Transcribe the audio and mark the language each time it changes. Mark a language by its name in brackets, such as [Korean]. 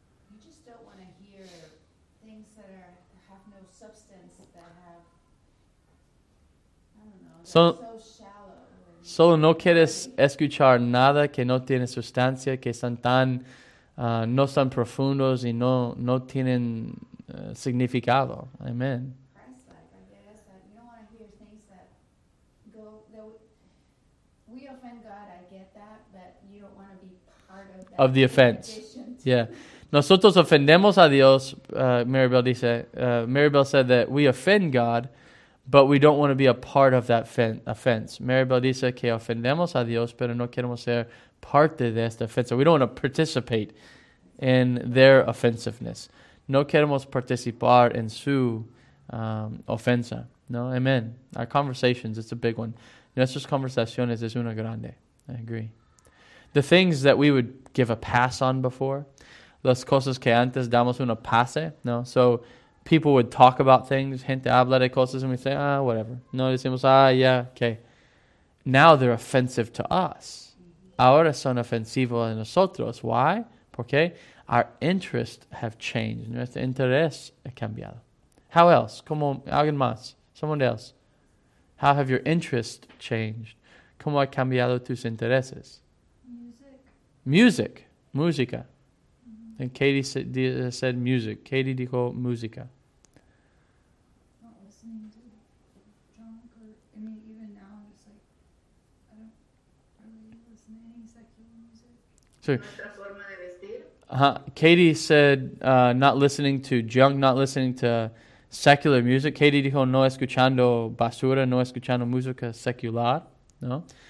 [English] You just don't want to hear things that have no substance, so shallow. [Spanish] Solo no quieres escuchar nada que no tiene sustancia, que son tan, no son profundos y no tienen significado. [English] Amen. Of the offense. Yeah. [Spanish] Nosotros ofendemos a Dios, [English] Maribel said that we offend God, but we don't want to be a part of that offense. [Spanish] Maribel dice que ofendemos a Dios, pero no queremos ser parte de esta ofensa. [English] We don't want to participate in their offensiveness. [Spanish] No queremos participar en su ofensa. No, amen. [English] Our conversations, it's a big one. [Spanish] Nuestras conversaciones es una grande. [English] I agree. The things that we would give a pass on before. [Spanish] Las cosas que antes damos una pase, ¿no? [English] So people would talk about things. [Spanish] Gente habla de cosas [English] and we say, ah, whatever. [Spanish] No, decimos, [English] ah, yeah, okay. Now they're offensive to us. [Spanish] Ahora son ofensivos a nosotros. Why? Porque [English] our interests have changed. [Spanish] Nuestro interés ha cambiado. [English] How else? [Spanish] Como alguien más. [English] Someone else. Just How have your interests changed? [Spanish] ¿Cómo ha cambiado tus intereses? [English] Music. Music. Música. Mm-hmm. And Katie said music. [Spanish] Katie dijo música. [English] Not listening to junk or, I mean, even now, I'm just like, I don't really listen to any secular music. [Spanish] Sorry. Nuestra forma de vestir. [English] Katie said not listening to junk, not listening to secular music. [Spanish] Katie dijo no escuchando basura, no escuchando música secular, ¿no?